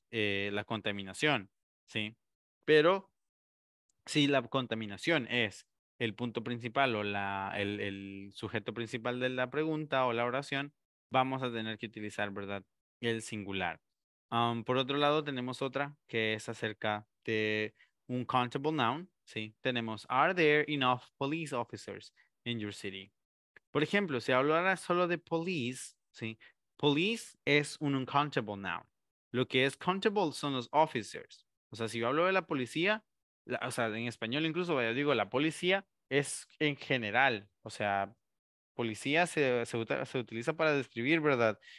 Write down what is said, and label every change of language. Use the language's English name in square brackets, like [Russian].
[Spanish] La contaminación, ¿sí? Pero si la contaminación es el punto principal o el sujeto principal de la pregunta o la oración, vamos a tener que utilizar, ¿verdad? El singular. Por otro lado, tenemos otra que es acerca de un countable noun, ¿sí? Tenemos, [English] are there enough police officers in your city? [Spanish] Por ejemplo, si hablara solo de police, ¿sí? Police es un uncountable noun. Lo que es countable son los officers. O sea, si yo hablo de la policía, o sea, en español incluso, yo digo, la policía es en general. O sea, policía se utiliza para describir, ¿verdad?